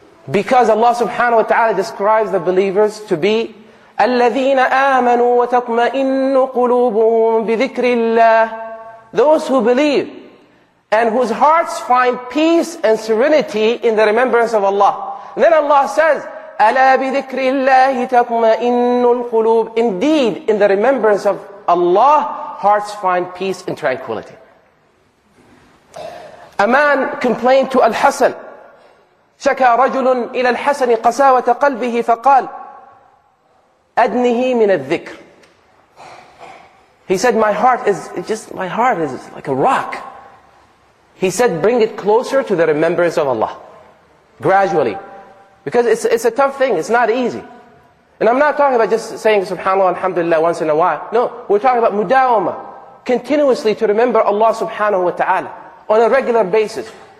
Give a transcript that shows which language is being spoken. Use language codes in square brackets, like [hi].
[en] Because Allah subhanahu wa ta'ala describes the believers to be [ar] الَّذِينَ آمَنُوا وَتَطْمَئِنُّ قُلُوبُهُمْ بِذِكْرِ اللَّهِ [en] Those who believe and whose hearts find peace and serenity in the remembrance of Allah. And then Allah says, [ar] أَلَا بِذِكْرِ اللَّهِ تَطْمَئِنُّ الْقُلُوبُ [en] Indeed, in the remembrance of Allah, hearts find peace and tranquility. A man complained to Al-Hasan. [ar] شكى رجل إلى الحسن قساوة قلبه فقال أدنه من الذكر [en] He said, my heart is like a rock. He said, bring it closer to the remembrance of Allah. Gradually. Because it's a tough thing. It's not easy. And I'm not talking about just saying subhanAllah alhamdulillah once in a while. No, we're talking about mudawama. Continuously to remember Allah subhanahu wa ta'ala on a regular basis.